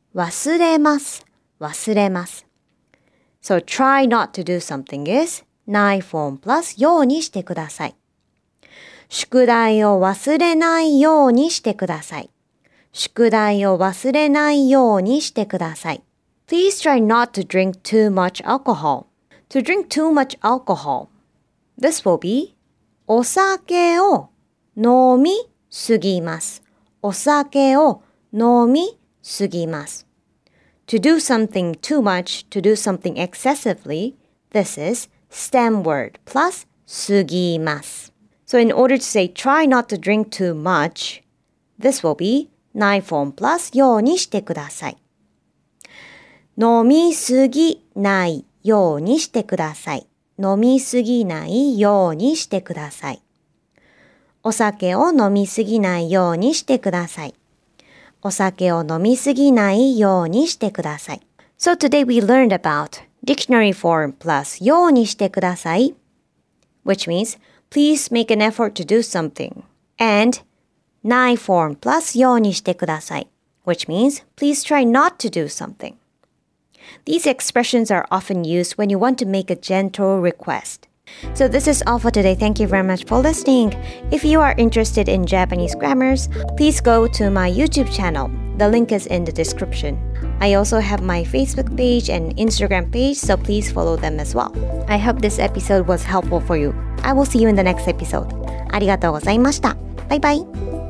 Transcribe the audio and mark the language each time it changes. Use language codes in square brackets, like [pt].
[ja] 忘れます、忘れます。 [en] So try not to do something is ない form plus [ja] ようにしてください。宿題を忘れないようにしてください。宿題を忘れないようにしてください。 [en] Please try not to drink too much alcohol. To drink too much alcohol. This will be [ja] お酒を飲みすぎます。お酒を飲みすぎます。 [en] To do something too much, to do something excessively, this is stem word plus [ja] すぎます。 [en] So in order to say try not to drink too much, this will be ない form plus [ja] ようにしてください。飲みすぎないようにしてください。飲みすぎないようにしてください。お酒を飲みすぎないようにしてください。お酒を飲みすぎないようにしてください。 [en] So today we learned about dictionary form plus [ja] ようにしてください。 [en] Which means, please make an effort to do something. And ない form plus [ja] ようにしてください。 [en] Which means, please try not to do something. These expressions are often used when you want to make a gentle request. So this is all for today. Thank you very much for listening. If you are interested in Japanese grammars, please go to my YouTube channel. The link is in the description. I also have my Facebook page and Instagram page, so please follow them as well. I hope this episode was helpful for you. I will see you in the next episode. [ja] ありがとうございました。バイバイ。